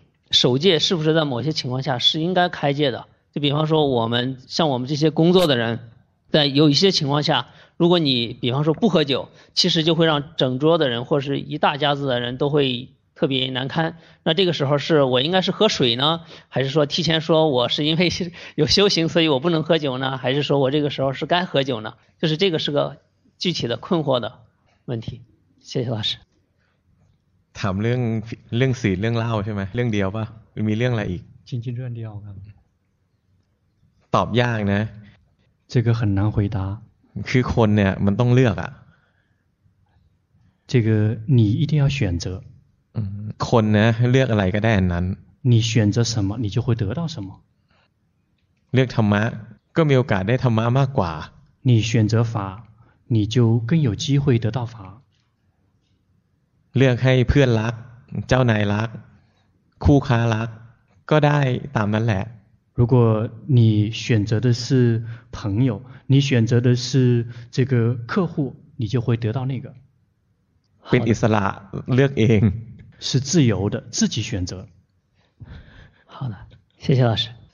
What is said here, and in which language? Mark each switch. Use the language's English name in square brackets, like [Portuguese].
[Chinese] 守戒是不是在某些情况下是应该开戒的就比方说我们像我们这些工作的人在有一些情况下如果你比方说不喝酒其实就会让整桌的人或是一大家子的人都会特别难堪那这个时候是我应该是喝水呢还是说提前说我是因为有修行所以我不能喝酒呢还是说我这个时候是该喝酒呢就是这个是个具体的困惑的问题谢谢老师 [Thai] ถามเรื่องสีเรื่องเล่าใช่ไหมเรื่องเดียวป่ะมีเรื่องอะไรอีก จริงๆเรื่องเดียวครับ ตอบยากนะ [Chinese] 这个很难回答 [Thai] คือคนเนี่ยมันต้องเลือกอ่ะ [Chinese] 这个你一定要选择 [Thai] คนนะเลือกอะไรก็ได้นั้น [Chinese] 你选择什么你就会得到什么 [Thai] เลือกธรรมะก็มีโอกาสได้ธรรมะมากกว่า [Chinese] 你选择法你就更有机会得到法 [Thai] เลือกให้เพื่อนรักเจ้านายรักคู่ค้ารัก ก็ได้ตามนั้นแหละ [Chinese] 如果你选择的是朋友你选择的是这个客户你就会得到那个 [Thai] เป็นอิสระเลือกเอง [Chinese] 是自由的自己选择好的谢谢老师